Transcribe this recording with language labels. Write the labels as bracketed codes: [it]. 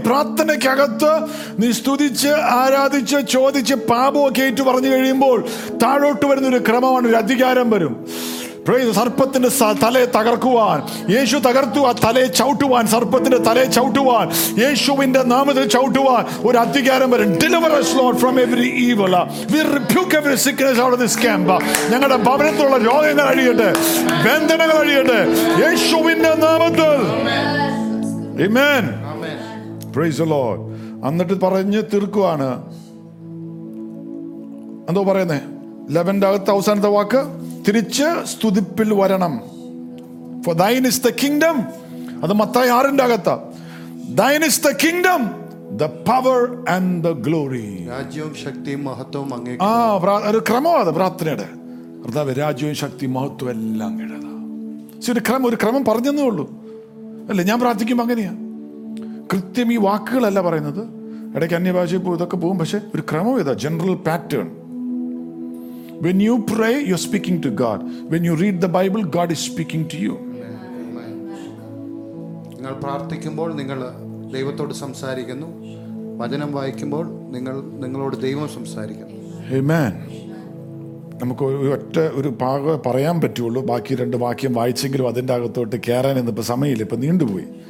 [ml] പ്രാർത്ഥനയ്ക്കകത്ത് നീ സ്തുതിച്ച് ആരാധിച്ച് ചോദിച്ച് പാപമൊക്കെ ഏറ്റു പറഞ്ഞു കഴിയുമ്പോൾ താഴോട്ട് വരുന്ന ഒരു ക്രമമാണ്, ഒരു അധികാരം വരും. സർപ്പത്തിന്റെ തലയെ തകർക്കുവാൻ യേശു തകർത്തു. ആ തലയെ ചവിട്ടുവാൻ, സർപ്പത്തിന്റെ തലയെ ചവിട്ടുവാൻ യേശുവിന്റെ നാമത്തിൽ ചവിട്ടുവാൻ ഒരു അധികാരം വരും. [en] Deliver us Lord from every evil. We rebuke every sickness out of this camp. [ml] ഞങ്ങളുടെ ഭവനത്തിലുള്ള രോഗങ്ങൾ അഴിയട്ടെ, ബന്ധനങ്ങൾ അഴിയട്ടെ യേശുവിന്റെ നാമത്തിൽ. [en] Amen. Praise the Lord. [ml] എന്നിട്ട് പറഞ്ഞു തീർക്കുവാണ്. എന്തോ പറയുന്നേ ലെവന്റെ അകത്ത് അവസാനത്തെ വാക്ക്, തിരിച്ച് സ്തുതിപ്പിൽ വരണം. [en] For thine is the kingdom. [ml] അത് മത്തായി 6-ന്റെ അകത്ത്. [en] Thine is the kingdom, the power and the glory. [ml] രാജ്യവും ശക്തിയും മഹത്വവും അങ്ങേയ്ക്ക്. ഒരു ക്രമമാണ് പ്രാർത്ഥനയുടെ. കർത്താവേ രാജ്യവും ശക്തിയും മഹത്വവും എല്ലാം അങ്ങേയ്ക്ക്. ക്രമം, ഒരു ക്രമം പറഞ്ഞേ ഉള്ളൂ അല്ലേ. ഞാൻ പ്രാർത്ഥിക്കുമ്പോൾ അങ്ങനെയാ കൃത്യം. ഈ വാക്കുകളല്ല പറയുന്നത്, ഇടയ്ക്ക് അന്യഭാഷയിൽ ഇതൊക്കെ പോകും. പക്ഷെ ഒരു ക്രമം ഇതാ, general pattern. [en] When you pray, you're speaking to God. When you read the Bible, God is speaking to you. [ml] നിങ്ങൾ പ്രാർത്ഥിക്കുമ്പോൾ നിങ്ങൾ ദൈവത്തോട് സംസാരിക്കുന്നു, വചനം വായിക്കുമ്പോൾ നിങ്ങൾ നിങ്ങളോട് ദൈവം സംസാരിക്കുന്നു. [en] Amen. [ml] നമുക്ക് ഒറ്റ ഒരു ഭാഗം പറയാൻ പറ്റുള്ളൂ, ബാക്കി രണ്ട് വാക്യം വായിച്ചെങ്കിലും അതിൻ്റെ അകത്തോട്ട് കയറാൻ ഇന്നിപ്പോൾ സമയമില്ല, ഇപ്പം നീണ്ടുപോയി.